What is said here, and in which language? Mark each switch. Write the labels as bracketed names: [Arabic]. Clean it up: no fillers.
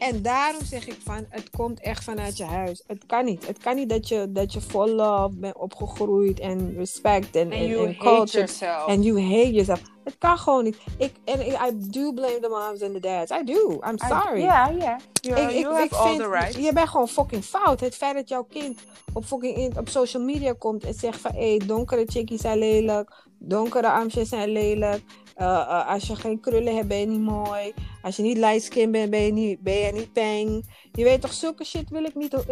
[Dutch] En daarom zeg ik van, het komt echt vanuit je huis. Het kan niet. Het kan niet dat je full love bent opgegroeid en respect [English] and culture. And you hate yourself. And you hate yourself. [Dutch] Het kan gewoon niet. [English] I do blame the moms and the dads. I do. I'm sorry. You have all the rights. [Dutch] Je bent gewoon fucking fout. Het feit dat jouw kind op social media komt en zegt van, hey, donkere chickies zijn lelijk. Donkere armjes zijn lelijk. Als je geen krullen hebt, ben je niet mooi. Als je niet light skin bent, ben je niet peng. Je weet toch, zulke shit wil ik niet.